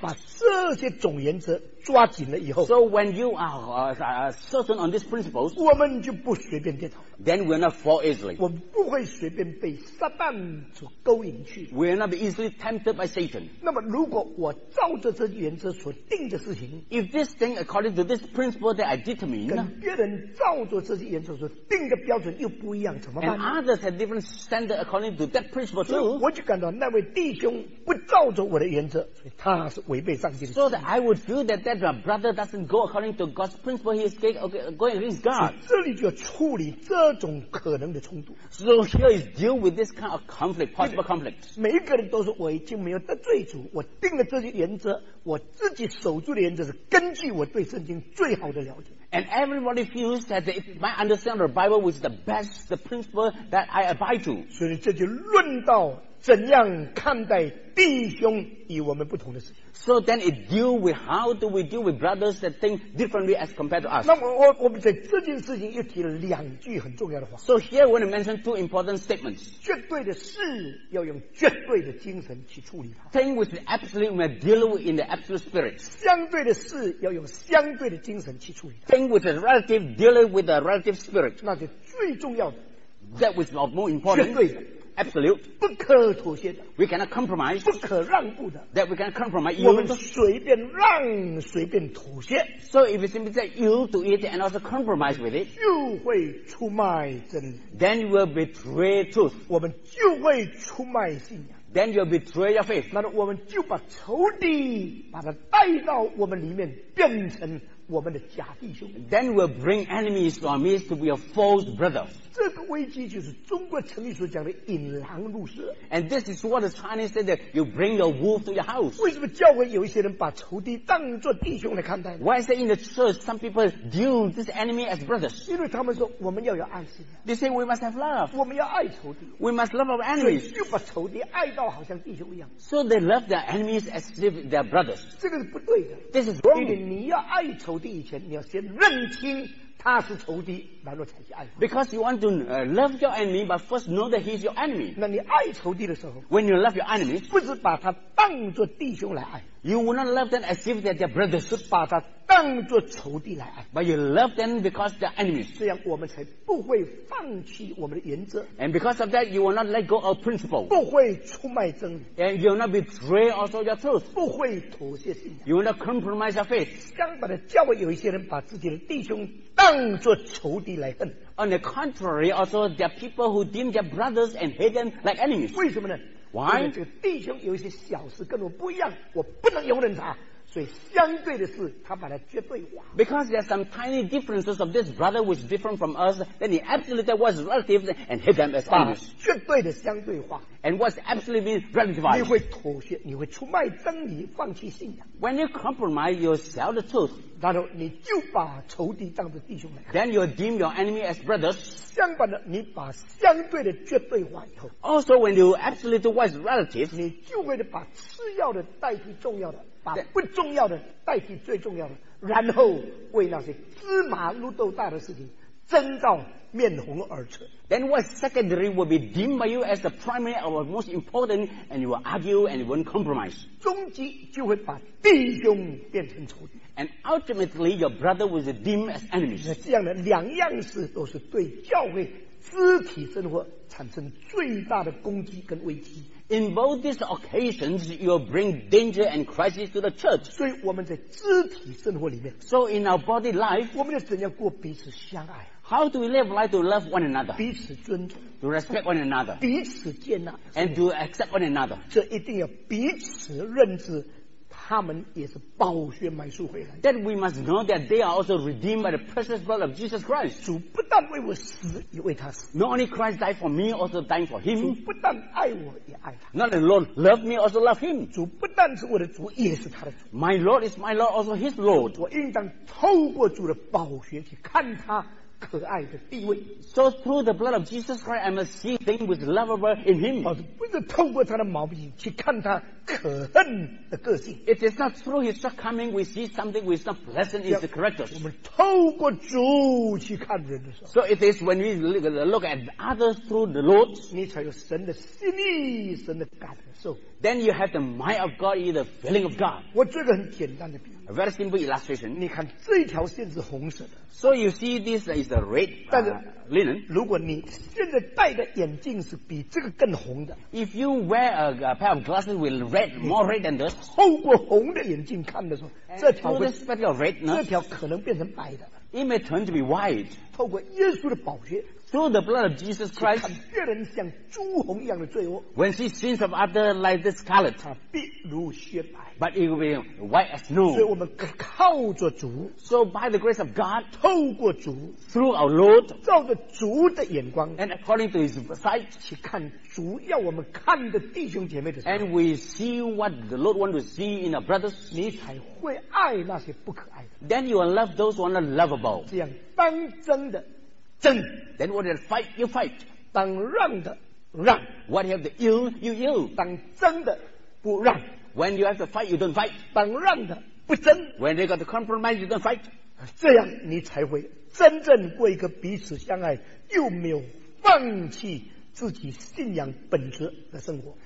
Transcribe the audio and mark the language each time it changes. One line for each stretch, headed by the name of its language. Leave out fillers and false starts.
Chinese: 把这些总原则抓紧了以后
English: ，so when you are certain on these principles，
Chinese: 我们就不随便跌倒
English: ，then we will not fall easily。
Chinese: 我们不会随便被撒旦所勾引去
English: ，we will not be easily tempted by Satan。
Chinese: 那么如果我照着这原则所定的事情
English: ，If this thing according to this principle that I determine，
Chinese: 跟别人照着这些原则所定的标准又不一样，怎么办
English: ？And others have different standard according to that principle too。
Chinese: 我就感到那位弟兄不照着我的原则，所以他是违背上帝的。
English: So that I would feel that my brother doesn't go according to God's principle, he is going against God。
Chinese: 这里就要处理这种可能的冲突。
English: So here is deal with this kind of conflict, possible conflict。
Chinese: 每一个人都是我已经没有得罪主，我定了这些原则。我自己守住的原则是根据我对圣经最好的了解。
English: And everybody feels that my understanding of the Bible was the best, the principle that I abide to.
Chinese: 所以这就论到怎样看待弟兄与我们不同的事情。
English: So then it deal with how do we deal with brothers that think differently as compared to us.
Chinese: 那我们在这件事情又提了两句很重要的话。
English: So here I want to mention two important statements.
Chinese: 绝对的事要用绝对的精神去处理它。
English: Thing with the absolute, we deal with in the absolute spirit.
Chinese: 相对的事要用相对的精神去处理它。
English: Thing with the relative, deal with the relative spirit.
Chinese: 那就最重要的。
English: That was of more importance.
Chinese: 绝对的。
English: Absolute.
Chinese: 不可妥协的。
English: We cannot compromise.
Chinese: 不可让步的。
English: That we cannot compromise.
Chinese: 我们随便让，随便妥协。
English: So if you simply say yield to it and also compromise with it,
Chinese: 就会出卖真理。
English: Then you will betray truth.
Chinese: 我们就会出卖信仰。
English: Then you will betray your faith.
Chinese: 那我们就把仇敌把它带到我们里面，变成我们的假弟兄。
English: Then we will bring enemies to our midst to be a false brother.
Chinese: 这个危机就是中国成语所讲的引狼入室。
English: And this is what the Chinese said that you bring your wolf to your house.
Chinese: 为什么教会有一些人把仇敌当作弟兄来看待呢
English: ？Why is it in the church some people view this enemy as brothers？
Chinese: 因为他们说我们要有爱心。
English: They say we must have love.
Chinese: 我们要爱仇敌。
English: We must love our enemies.
Chinese: 所以就把仇敌爱到好像弟兄一样。
English: So they love their enemies as if they're brothers.
Chinese: 这个是不对的。
English: This is wrong.
Chinese: 因为你要爱仇敌以前，你要先认清。他是仇敌，然后才去爱。
English: Because you want to love your enemy, but first know that he's your enemy.
Chinese: 那你爱仇敌的时候
English: ，When you love your enemy,
Chinese: 不是把他当作弟兄来爱。
English: You will not love them as if they're their brothers.
Chinese: 是把他当作仇敌来爱。
English: But you love them because they're enemies.
Chinese: 这样我们才不会放弃我们的原则。
English: And because of that, you will not let go of principle.
Chinese: 不会出卖真理。
English: And you will not betray also your truth.
Chinese: 不会妥协信仰。
English: You will not compromise your faith.
Chinese: 相反的，教会有一些人把自己的弟兄当作仇敌来恨。
English: On the contrary, also there are people who deem their brothers and hate them like enemies.
Chinese: 为什么呢？
English: Why?
Chinese: 因为这个弟兄有一些小事跟我不一样，我不能容忍他，所以相对的事，他把它绝对化。
English: Because there are some tiny differences of this brother which is different from us, then he absolutely was relative and hit them as enemies.
Chinese: 绝对的相对化。
English: And what's absolutely mean relativized?
Chinese: 你会妥协，你会出卖真理，放弃信仰。
English: When you compromise yourself the truth,
Chinese: 然后你就把仇敌当作弟兄来看。
English: Then you deem your enemy as brothers.
Chinese: 相反的，你把相对的绝对化以后。
English: Also, when you absolutely was relative,
Chinese: 你就会把次要的代替重要的。把不重要的代替最重要的然后为那些芝麻绿豆大的事情争到面红耳赤。
English: Then what secondary will be deemed by you as the primary or most important, and you will argue and you won't compromise.
Chinese: 终极就会把弟兄变成仇敌。
English: And ultimately, your brother will be deemed as enemies.
Chinese: 这样的两样事都是对教会肢体生活产生最大的攻击跟危机。
English: In both these occasions, you will bring danger and crisis to the church.
Chinese: 所以我们在肢体生活里面。
English: So in our body life,
Chinese: 我们要怎样过彼此相爱？
English: How do we live life to love one another?
Chinese: 彼此尊重,
English: to respect one another.
Chinese: 彼此接纳,
English: and to accept one another.
Chinese: 这一定要彼此认知, 他们也是宝血买赎回来。
English: That we must know that they are also redeemed by the precious blood of Jesus Christ.
Chinese: 主不但为我死, 也为他死。
English: Not only Christ died for me, also dying for him.
Chinese: 主不但爱我, 也爱他。
English: Not alone love me, also love him.
Chinese: 主不但是我的主, 也是他的主。
English: My Lord is my Lord, also his Lord.
Chinese: 我应当透过主的宝血去看他可爱的地位。
English: So through the blood of Jesus Christ, I must see things with lovable in him.
Chinese: 不是透过他的毛病去看他可恨的个性。
English: It is not through his shortcoming we see something which is not pleasant in his character.
Chinese: 我们透过主去看人的时候。
English: So it is when we look at others through the Lord,
Chinese: 你才有神的心意，神的感受。
English: Then you have the mind of God, the feeling of God.
Chinese: 我这个很简单的比喻。
English: A very simple illustration.
Chinese: 你看这条线是红色的。
English: So you see this is the red linen.
Chinese: 如果你现在戴的眼镜是比这个更红的。
English: If you wear a pair of glasses with red, more red than this.
Chinese: 透过红的眼镜看的时候，这条会
English: spectacle red,
Chinese: 这条可能变成白的。
English: It may turn to be white.
Chinese: 透过耶稣的宝血。
English: Through the blood of Jesus Christ,
Chinese: 看别人像朱红一样的罪恶。
English: When she sins of other like this scarlet,
Chinese: 它必如雪白。
English: But it will be white as snow.
Chinese: 所以我们靠着主。
English: So by the grace of God,
Chinese: 透过主。
English: Through our Lord,
Chinese: 照着主的眼光。
English: And according to His sight,
Chinese: 去看主要我们看的弟兄姐妹的时候。
English: And we see what the Lord wants to see in our brothers.
Chinese: 你才会爱那些不可爱的。
English: Then you will love those who are not lovable.
Chinese: 这样当真的。争
English: then what you fight, you fight.
Chinese: 当让的让
English: what you have to yield, you yield.
Chinese: 当争的不让
English: when you have to fight, you don't fight.
Chinese: 当让的不争
English: when they got to compromise, you don't fight.
Chinese: 这样你才会真正过一个彼此相爱又没有放弃自己信仰本质的生活。